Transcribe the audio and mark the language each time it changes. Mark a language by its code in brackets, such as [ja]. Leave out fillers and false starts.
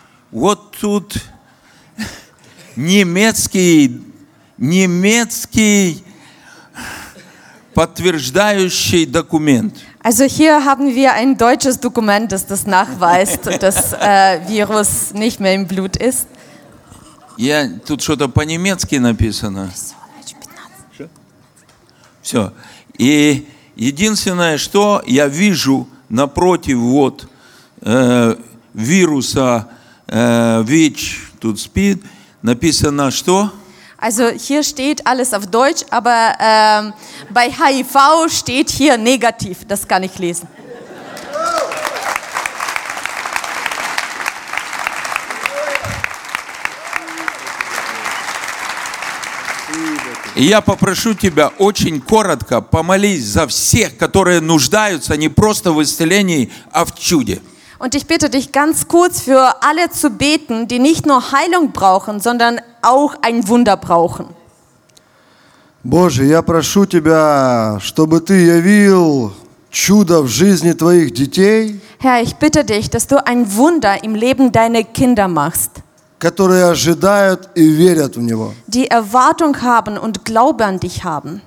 [ru] Вот тут немецкий подтверждающий документ. [de] Also hier haben wir ein deutsches Dokument, das das nachweist, dass Virus nicht mehr im Blut ist. [ru] Я тут что-то по-немецки написано. Все. И единственное, что я вижу напротив вот вируса ВИЧ тут спит, написано что? [de] Also hier steht alles auf Deutsch, aber bei HIV steht hier negativ, das kann ich lesen. [ru] Я попрошу тебя очень коротко помолись за всех, которые нуждаются не просто в исцелении, а в чуде. [de] Und ich bitte dich ganz kurz für alle zu beten, die nicht nur Heilung brauchen, sondern auch ein Wunder brauchen. [ru] Боже, я прошу тебя, чтобы ты явил чудо в жизни твоих детей. [de] Herr, ich bitte dich, dass du ein Wunder im Leben deiner Kinder machst. [ru] Которые ожидают и верят в него. [de] Die Erwartung haben und Glaube an dich haben.